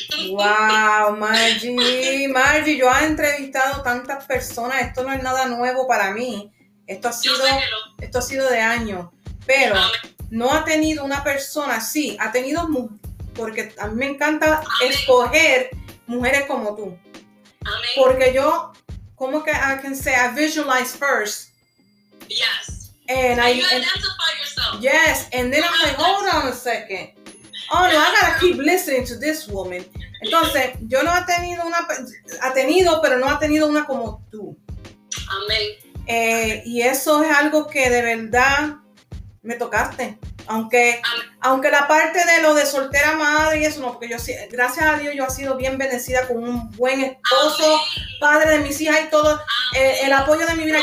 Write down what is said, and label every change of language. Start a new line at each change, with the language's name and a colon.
Spanish: Wow, Margie, yo he entrevistado tantas personas, esto no es nada nuevo para mí, esto ha sido de años, pero no ha tenido una persona, sí, ha tenido porque a mí me encanta escoger mujeres como tú, porque yo, como que
English: I can say, I visualize first. Yes. And you identify yourself. Yes, and then I'm like, hold on a second. Oh no, I gotta keep listening to this woman.
Spanish: Entonces, yo no ha tenido, pero no ha tenido una como tú. Amén. Y eso es algo que de verdad me tocaste. Aunque la parte de lo de soltera madre y eso no, porque yo, gracias a Dios, yo he sido bien bendecida con un buen esposo, padre de mis hijas y todo, el apoyo de mi vida.